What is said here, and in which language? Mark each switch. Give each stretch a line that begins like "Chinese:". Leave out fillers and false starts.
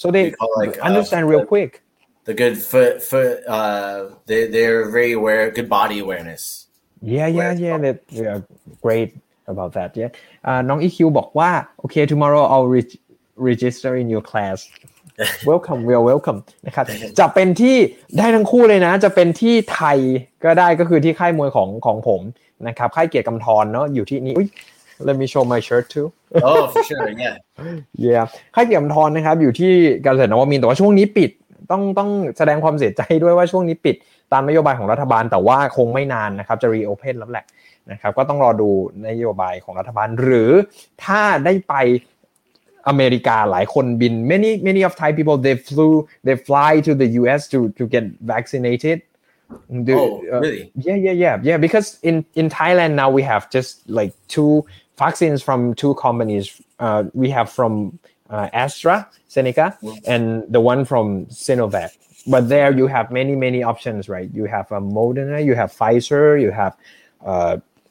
English: So they understand real quick. The good foot they're very aware, good body awareness. Yeah. They are great about that. Yeah. น้องอีคิวบอกว่า okay, tomorrow I'll register in your class.
Thai: Welcome, we are welcome นะครับจะเป็นที่ได้ทั้งคู่เลยนะจะเป็นที่ไทยก็ได้ก็คือที่ค่ายมวยของผมนะครับค่ายเกียรติกำธรเนาะอยู่ที่นี่อุ้ย Let me show my shirt too
English: Oh, for sure, yeah
Thai: Yeah ค่ายเกียรติกำธรนะครับอยู่ที่กาฬสินธุ์นวมินทร์แต่ว่าช่วงนี้ปิดต้องแสดงความเสียใจด้วยว่าช่วงนี้ปิดตามนโยบายของรัฐบาลแต่ว่าคงไม่นานนะครับจะรีโอเพนแล้วแหละนะครับก็ต้องรอดูนโยบายของรัฐบาลหรือถ้าได้ไปอเมริกาหลายคนบิน many of Thai people they fly to the US to get vaccinated
English: really because in Thailand now we have just like two vaccines from two companies we have from AstraZeneca and the one from Sinovac but there you have many options right you have a Moderna you have Pfizer you have